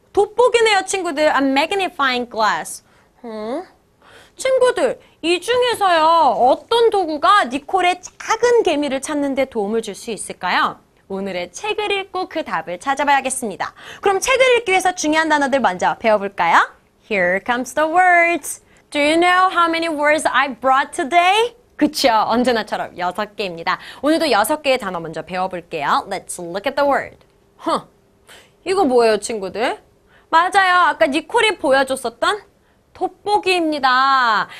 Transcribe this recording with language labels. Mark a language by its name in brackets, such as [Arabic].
[Korean] 돋보기네요, 친구들. [English] A magnifying glass. [Korean] 친구들, 이 중에서요, 어떤 도구가 니콜의 작은 개미를 찾는 데 도움을 줄 수 있을까요? 오늘의 책을 읽고 그 답을 찾아봐야겠습니다. 그럼 책을 읽기 위해서 중요한 단어들 먼저 배워볼까요? [English] Here comes the words. Do you know how many words I brought today? [Korean] 그쵸, 언제나처럼 6개입니다. 오늘도 6개의 단어 먼저 배워볼게요. [English] Let's look at the word. [Korean] 이거 뭐예요, 친구들? 맞아요, 아까 니콜이 보여줬었던 돋보기입니다.